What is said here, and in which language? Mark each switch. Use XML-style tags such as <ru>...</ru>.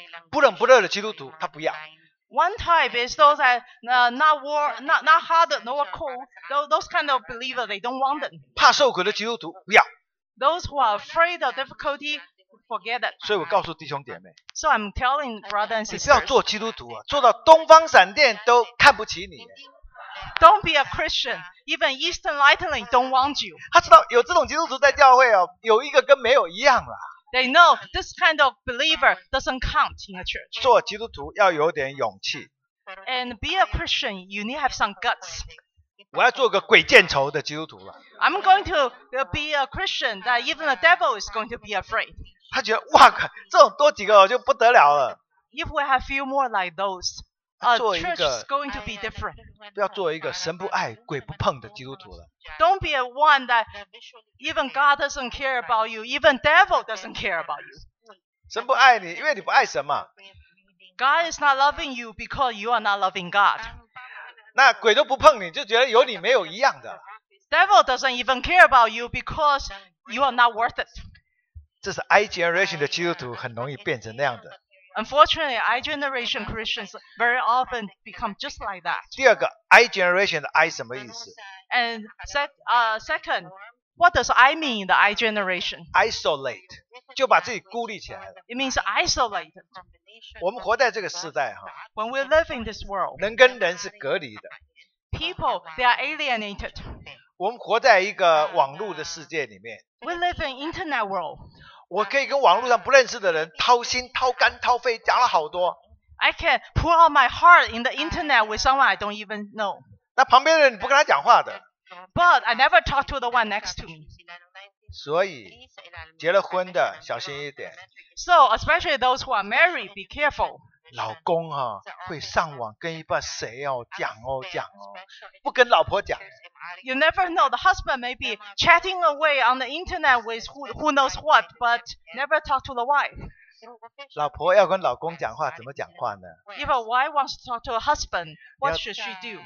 <zh>不冷不热的基督徒他不要。</zh> <en>One type is those that not hard, not cold, those kind of believers, they don't want them.</en> <zh>怕受苦的基督徒不要。</zh> <en>Those who are afraid of difficulty, forget that.</en> <zh>所以我告诉弟兄姐妹。</zh> <en>So I'm telling brothers and sisters.</en> <zh>你不要做基督徒啊，做到东方闪电都看不起你。</zh> <en>Don't be a Christian. Even Eastern Lightning don't want you.</en> <zh>他知道有这种基督徒在教会哦，有一个跟没有一样啦。</zh> <en>They know this kind of believer doesn't count in a church.</en> <zh>做基督徒要有点勇气。</zh> <en>And be a Christian, you need to have some guts.</en> <zh>我要做个鬼见愁的基督徒了。</zh> <en>I'm going to be a Christian that even the devil is going to be afraid.</en> <zh>他觉得哇，这种多几个就不得了了。</zh> <en>If we have few more like those. Church is going to be different.</en> <zh>不要做一个神不爱鬼不碰的基督徒了。</zh> <en>Don't be a one that even God doesn't care about you, even devil doesn't care about you.</en> <zh>神不爱你，因为你不爱神嘛。</zh> <en>God is not loving you because you are not loving God.</en> <zh>那鬼都不碰你，就觉得有你没有一样的。</zh> <en>Devil doesn't even care about you because you are not worth it.</en> <zh>这是 I generation 的基督徒很容易变成那样的。</zh> <en>Unfortunately, I generation Christians very often become just like that.</en> <zh>第二个 I generation 的 I 什么意思</zh> <en>？And second, what does I mean the I generation?</en> <zh>Isolate 就把自己孤立起来了。</zh> <en>It means isolated.</en> <zh>我们活在这个时代哈。</zh> <en>When we live in this world,</en> <zh>能跟人是隔离的。</zh> <en>People they are alienated.</en> <zh>我们活在一个网络的世界里面。</zh> <en>We live in internet world.</en> <zh>我可以跟网络上不认识的人掏心掏肝掏肺讲了好多。</zh> <en>I can pour out my heart in the internet with someone I don't even know.</en> <zh>那旁边的人你不跟他讲话的。</zh> <en>But I never talk to the one next to me.</en> <zh>所以结了婚的小心一点。</zh> <en>So especially those who are married, be careful.</en> <zh>老公啊会上网跟一把谁哦讲哦讲哦不跟老婆讲。</zh> <en>You never know, the husband may be chatting away on the internet with who knows what, but never talk to the wife.</en> <zh>老婆要跟老公讲话，怎么讲话呢？</zh> <en>If a wife wants to talk to a husband, what should she do?</en>